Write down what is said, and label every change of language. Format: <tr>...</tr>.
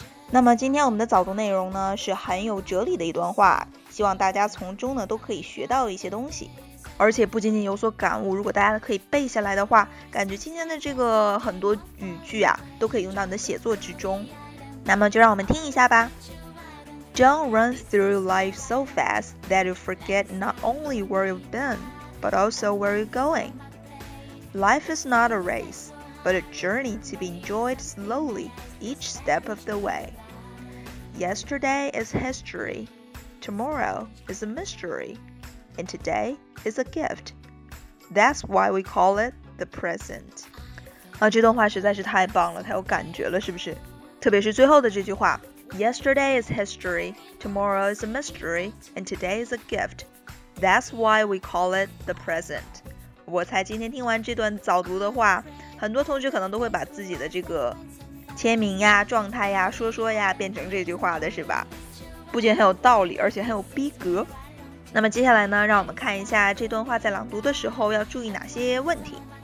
<zh>那么今天我们的早读内容呢，是很有哲理的一段话，希望大家从中呢都可以学到一些东西，而且不仅仅有所感悟，如果大家可以背下来的话，感觉今天的这个很多语句啊都可以用到你的写作之中。那么就让我们听一下吧。</zh> <en>Don't run through life so fast that you forget not only where you've been but also where you're goingLife is not a race, but a journey to be enjoyed slowly each step of the way. Yesterday is history, tomorrow is a mystery, and today is a gift. That's why we call it the present.</en> <zh>啊，这段话实在是太棒了，太有感觉了，是不是？特别是最后的这句话</zh> <en>，Yesterday is history, tomorrow is a mystery, and today is a gift. That's why we call it the present.</en> <zh>我猜今天听完这段早读的话，很多同学可能都会把自己的这个签名呀、状态呀、说说呀变成这句话的，是吧？不仅很有道理，而且很有逼格。那么接下来呢，让我们看一下这段话在朗读的时候要注意哪些问题。</zh>